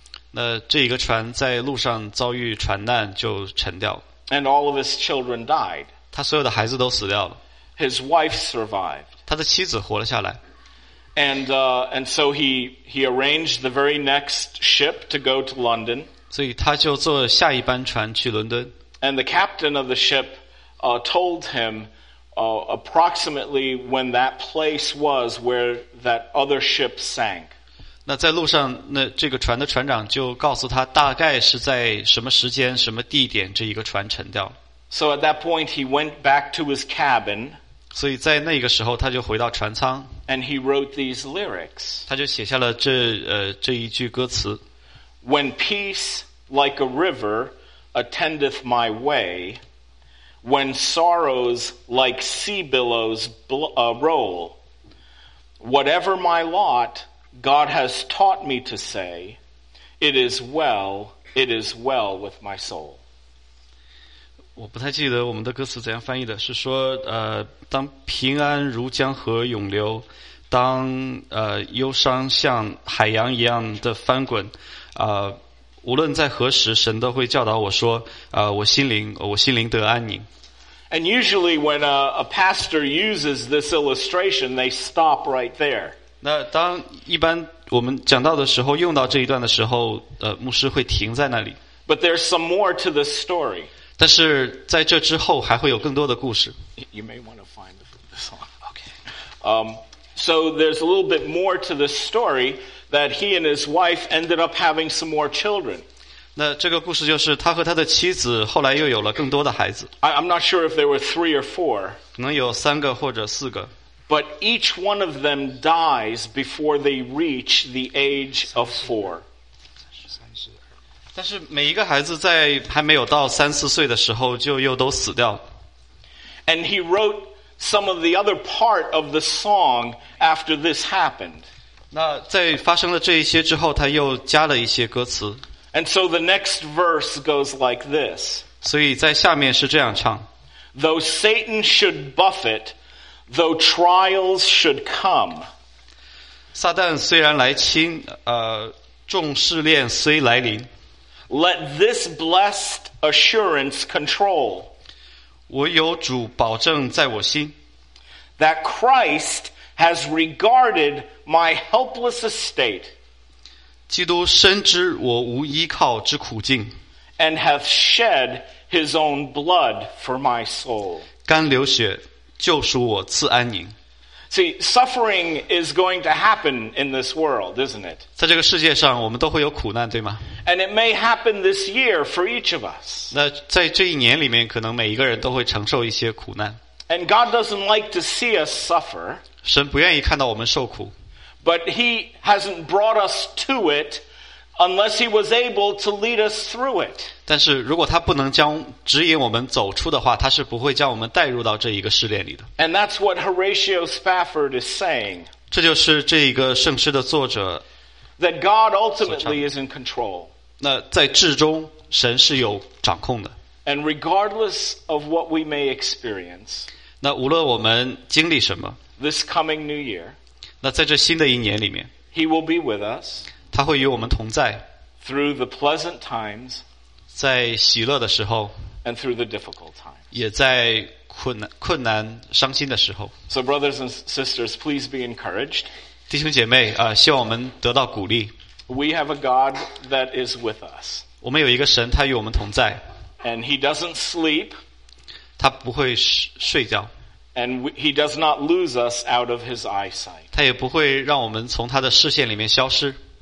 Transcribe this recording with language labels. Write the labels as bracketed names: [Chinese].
[Chinese] 那这一个船在路上遭遇船难就沉掉。 [English] And all of his children died. [Chinese] 他所有的孩子都死掉了。 [English] His wife survived. [Chinese] 他的妻子活了下来。 [English] And so he arranged the very next ship to go to London. [Chinese] 所以他就坐下一班船去伦敦。 [English] And the captain of the ship, told him, approximately when that place was where that other ship sank. [Chinese] 那在路上，那这个船的船长就告诉他，大概是在什么时间、什么地点，这一个船沉掉了。 [English] So at that point, he went back to his cabin. [Chinese] 所以在那个时候，他就回到船舱。 [English] And he wrote these lyrics. [Chinese] 他就写下了这一句歌词。 [English] When peace like a river attendeth my way, when sorrows like sea billows roll, whatever my lot, God has taught me to say, it is well with my soul. [Chinese] 我不太记得我们的歌词怎样翻译的，是说当平安如江河涌流，当忧伤像海洋一样的翻滚。无论在何时，神都会教导我说：“我心灵得安宁。” [English] And usually when a pastor uses this illustration, they stop right there. [Chinese] 那当一般我们讲到的时候用到这一段的时候牧师会停在那里。 [English] But there's some more to this story. [Chinese] 但是在这之后还会有更多的故事。 [English] You may want to find this one. Okay. So there's a little bit more to this story that he and his wife ended up having some more children. [Chinese] 那这个故事就是他和他的妻子后来又有了更多的孩子。 [English] I'm not sure if there were three or four. [Chinese] 可能有三个或者四个。 [English] But each one of them dies before they reach the age of four. [Chinese] 但是每一个孩子在还没有到三四岁的时候就又都死掉。 [English] And he wrote some of the other part of the song after this happened. [Chinese] 那在发生了这一些之后他又加了一些歌词。 [English] And so the next verse goes like this. [Chinese] 所以在下面是这样唱。 [English] Though Satan should buffet, though trials should come. [Chinese] 撒旦虽然来侵，众试炼虽来临。 [English] Let this blessed assurance control. [Chinese] 我有主保证在我心。 [English] That Christ has regarded my helpless estate. [Chinese] 基督深知我无依靠之苦境 [English] and hath shed his own blood for my soul. [Chinese] 甘流血救赎我赐安宁。 [English] See, suffering is going to happen in this world, isn't it? [Chinese] 在这个世界上我们都会有苦难对吗 [English] And it may happen this year for each of us. [Chinese] 那在这一年里面可能每一个人都会承受一些苦难。 [English] And God doesn't like to see us suffer. [Chinese] 神不愿意看到我们受苦。 [English] But he hasn't brought us to it unless he was able to lead us through it. [Chinese] 但是如果他不能将指引我们走出的话他是不会将我们带入到这一个试炼里的。 [English] And that's what Horatio Spafford is saying. [Chinese] 这就是这一个圣诗的作者。 [English] That God ultimately is in control. [Chinese] 那在至终神是有掌控的。 [English] And regardless of what we may experience. [Chinese] 那无论我们经历什么。 [English] This coming new year. [Chinese] 那在这新的一年里面 [English] He will be with us [Chinese] 他会与我们同在 [English] through the pleasant times [Chinese] 在喜乐的时候 [English] and through the difficult times [Chinese] 也在困难伤心的时候 [English] So brothers and sisters, please be encouraged [Chinese] 弟兄姐妹希望我们得到鼓励 [English] We have a God that is with us [Chinese] 我们有一个神他与我们同在 [English] and he doesn't sleep [Chinese] 他不会睡觉 [English] And he does not lose us out of his eyesight. [Chinese] 他也不会让我们从他的视线里面消失。